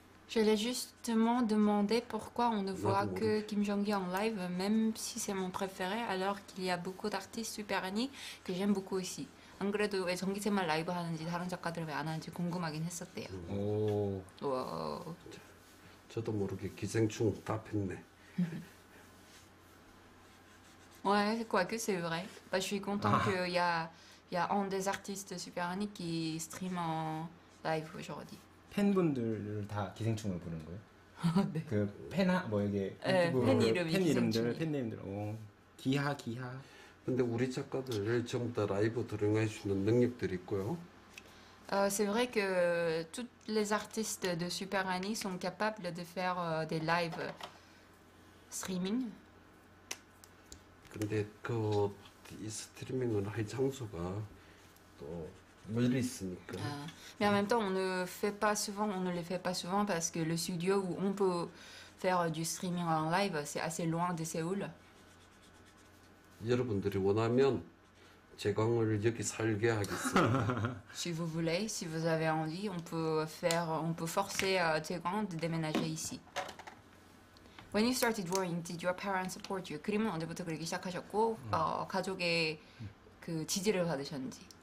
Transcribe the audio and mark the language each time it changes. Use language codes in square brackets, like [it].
[fr] J'allais justement demander pourquoi on ne voit que Kim Jong-gi en live, même si c'est mon préféré, alors qu'il y a beaucoup d'artistes super annie que j'aime beaucoup aussi. [ko] 안 그래도 왜 정기세만 라이브 하는지 다른 작가들 왜 안 하는지 궁금하긴 했었대요. 오. 와. 저도 모르게 기생충 답했네. [fr] Ouais, c'est quoi que c'est vrai. Bah, je suis content qu'il y a un des artistes super annie qui stream en live aujourd'hui. [ko] 팬분들을 다 기생충을 부르는 거예요? 네. 그 팬아 뭐 이게 팬 이름 팬 이름들 팬네임들 기하 기하. 근데 우리 작가들 전부 다 라이브 드로잉할 수 있는 능력들이 있고요. [fr] C'est vrai que toutes les artistes de Super Annie sont capables de faire des live streaming. [ko] 근데 그 이 스트리밍을 할 장소가 또 멀리 있으니까. [fr] Mais en même temps, on ne les fait pas souvent parce que le studio où on peut faire du streaming en live, c'est assez loin de Séoul. [ko] 여러분들이 원하면 제광을 여기 살게 하겠습니다. [fr] Si vous voulez, si vous avez envie, on peut forcer Jaegwon de déménager ici. [en] When you started drawing, did your parents support you? [ko] 그림은 언제부터 그리기 시작하셨고 가족의 그 지지를 받으셨는지?